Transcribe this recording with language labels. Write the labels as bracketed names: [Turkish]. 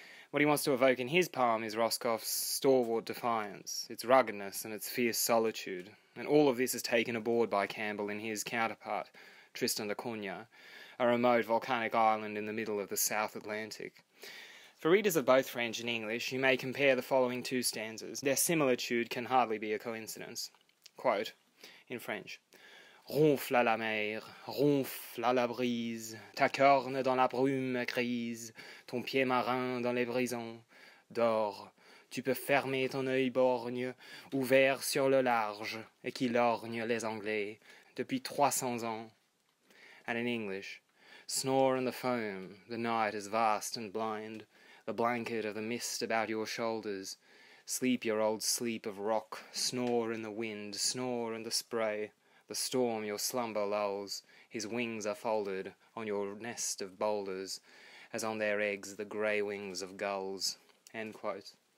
[English] What he wants to evoke in his poem is Roscoff's stalwart defiance, its ruggedness and its fierce solitude, and all of this is taken aboard by Campbell in his counterpart, Tristan da Cunha, a remote volcanic island in the middle of the South Atlantic. For readers of both French and English, you may compare the following two stanzas. Their similitude can hardly be a coincidence. Quote, in French, [French] Ronfle à la mer, ronfle à la brise, ta corne dans la brume grise, ton pied marin dans les brisons, dors, tu peux fermer ton œil borgne, ouvert sur le large, et qui lorgne les Anglais, depuis 300 ans. [English] And in English, snore in the foam, the night is vast and blind, the blanket of the mist about your shoulders, sleep your old sleep of rock, snore in the wind, snore in the spray, the storm your slumber lulls, his wings are folded on your nest of boulders, as on their eggs the grey wings of gulls. End quote.